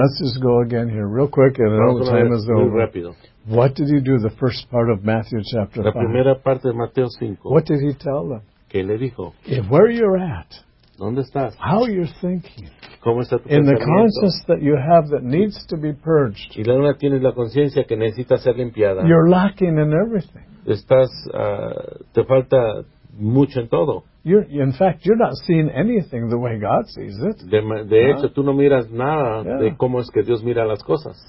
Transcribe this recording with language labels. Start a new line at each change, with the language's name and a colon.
English: Let's just go again here real quick, and
Spanish: vamos
English: all the time
Spanish: ver,
English: is over.
Spanish: Rápido.
English: What did he do the first part of Matthew chapter 5?
Spanish: La primera parte de Mateo 5.
English: What did he tell them?
Spanish: ¿Qué le dijo?
English: If where you're at,
Spanish: ¿dónde estás?
English: How you're thinking.
Spanish: ¿Cómo está tu
English: in the conscience that you have that needs to be purged.
Spanish: Y la una tienes la conciencia que necesita ser limpiada.
English: You're lacking in everything.
Spanish: Estás, te falta mucho en todo.
English: You're, in fact, you're not seeing anything the way God sees it.
Spanish: De hecho, tú no miras nada de cómo es que Dios mira las cosas.